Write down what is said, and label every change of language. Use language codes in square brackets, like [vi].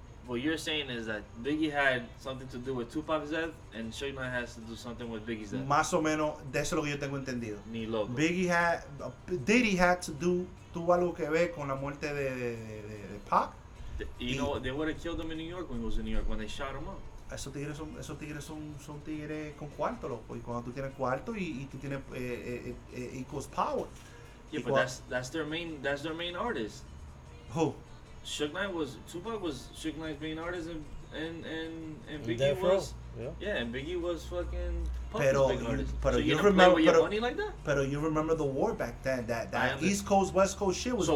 [en] what you're saying is that Biggie had something to do with Tupac's death, and Suge Knight has to do something with Biggie's death. [es] Más o menos, de eso es lo que yo tengo entendido. Ni loco. [en] Biggie had, Diddy had to do, [es] tuvo algo que ver con la muerte de Pac. [en] You know, they would have killed him in New York when he was in New York, when they shot him up. [es] Esos tigres son tigres con cuarto, loco. Y cuando tú tienes cuarto y tú tienes [en] equals power. Yeah, y but that's their main artist. Who? Tupac was Suge Knight's main artist and Biggie was yeah. Yeah, and Biggie was fucking But you remember the war back then? That East Coast West Coast shit was so